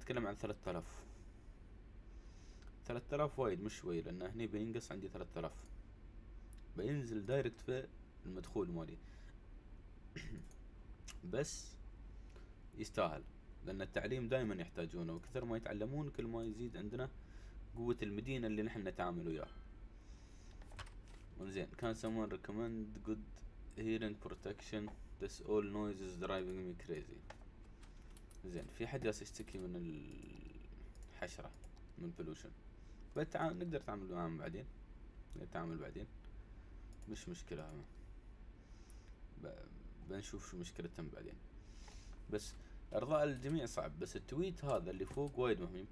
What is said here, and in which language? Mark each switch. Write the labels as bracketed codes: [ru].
[ar] تتكلم عن 3000، 3000 وايد مش شوي، لان هني بينقص عندي 3000، بينزل دايركت في المدخول مالي. بس يستاهل، لان التعليم دائما يحتاجونه، وكثر ما يتعلمون كل ما يزيد عندنا قوة المدينة اللي نحن نتعامل وياها. انزين، كان [en] someone recommend good hearing protection, this all noise is driving me crazy. [ar] زين، في حد جالس يشتكي من الحشرة، من pollution، نقدر نتعامل معاهم بعدين، نتعامل بعدين مش مشكلة، بنشوف شو مشكلتهم بعدين. بس ارضاء الجميع صعب، بس التويت هذا اللي فوق وايد مهم.